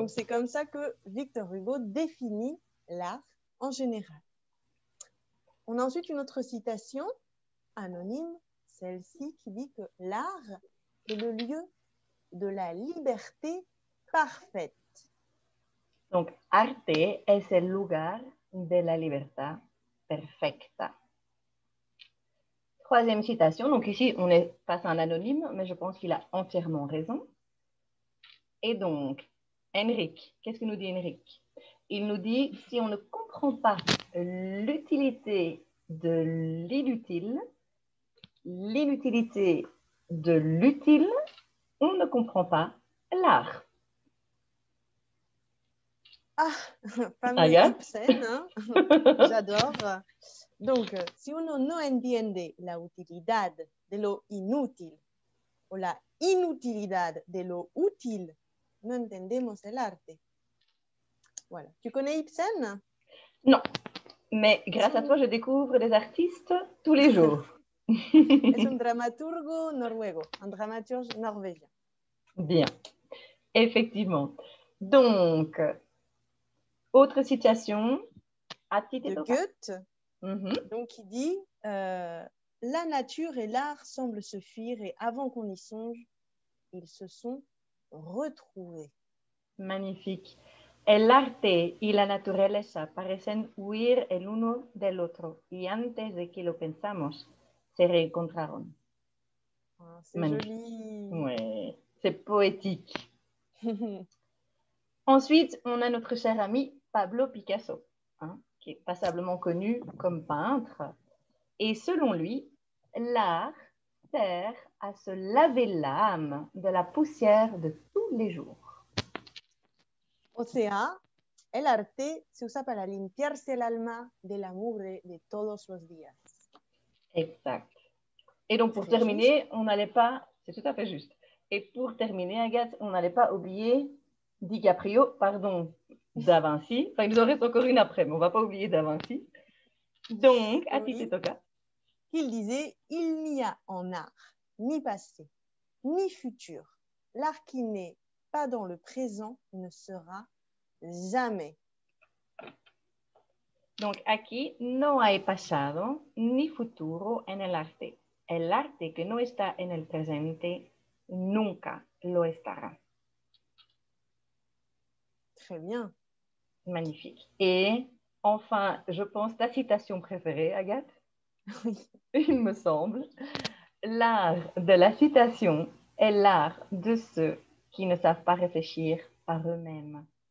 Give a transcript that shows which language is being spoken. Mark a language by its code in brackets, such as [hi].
[fr] Donc, c'est comme ça que Victor Hugo définit l'art en général. On a ensuite une autre citation anonyme, celle-ci qui dit que l'art est le lieu de la liberté parfaite. [es] Donc, arte es el lugar de la libertad perfecta. [fr] Troisième citation. Donc, ici, on est face à un anonyme, mais je pense qu'il a entièrement raison. Et donc, Enric, qu'est-ce que nous dit Enric? Il nous dit, si on ne comprend pas l'utilité de l'inutile, l'inutilité de l'utile, on ne comprend pas l'art. Ah, famille Ibsen, hein? J'adore. Donc, si on ne [es] entiende la utilidad de lo inútil ou la inutilidad de lo útil, no entendemos el arte. [fr] Voilà. Tu connais Ibsen? Non, mais grâce à toi, je découvre des artistes tous les jours. [es] Es un dramaturgo noruego, [fr] un dramaturge norvégien. Bien, effectivement. Donc, autre citation. De Goethe, donc il dit « La nature et l'art semblent se fuir et avant qu'on y songe, ils se sont retrouver. Magnifique. [es] El arte y la naturaleza parecen huir el uno del otro y antes de que lo pensamos, se reencontraron. [fr] Oh, c'est magnifique. Joli. Ouais, c'est poétique. Ensuite, on a notre cher ami Pablo Picasso, hein, qui est passablement connu comme peintre. Et selon lui, l'art sert à se laver l'âme de la poussière de tous les jours. [es] O sea, el arte se usa para limpiarse el alma de la mugre de todos los días. [fr] Exact. Et donc, pour terminer, on n'allait pas... C'est tout à fait juste. Et pour terminer, Agathe, on n'allait pas oublier DiCaprio, pardon, Da Vinci. Enfin, il nous en reste encore une après, mais on ne va pas oublier Da Vinci. Donc, à oui. Titi Toka. Il disait, il n'y a en art ni passé, ni futur. L'art qui n'est pas dans le présent ne sera jamais. [es] Donc, aquí no hay pasado ni futuro en el arte. El arte que no está en el presente nunca lo estará. [fr] Très bien. Magnifique. Et enfin, je pense, ta citation préférée, Agathe. Oui. Il me semble. L'art de la citation est l'art de ceux qui ne savent pas réfléchir par eux-mêmes.